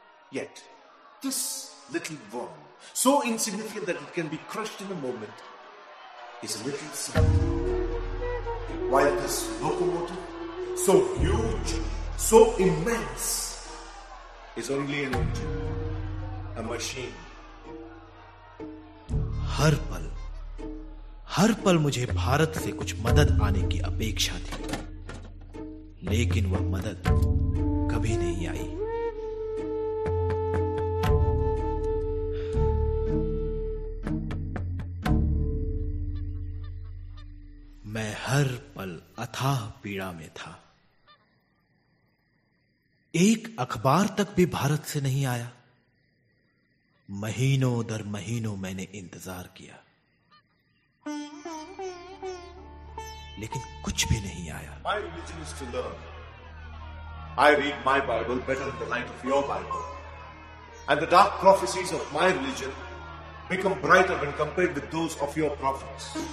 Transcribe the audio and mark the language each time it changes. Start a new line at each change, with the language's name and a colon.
English: Yet, this little worm, so insignificant that it can be crushed in a moment, is a little something. While this locomotive, so huge, so immense, is only an engine, a machine.
Hindi: हर पल मुझे भारत से कुछ मदद आने की अपेक्षा थी, लेकिन वह मदद कभी नहीं आई। मैं हर पल अथाह पीड़ा में था। एक अखबार तक भी भारत से नहीं आया। महीनों दर महीनों मैंने इंतजार किया, लेकिन कुछ भी नहीं आया।
English: My religion is to learn. I read my Bible better than the light of your Bible. And the dark prophecies of my religion become brighter when compared with those of your prophets.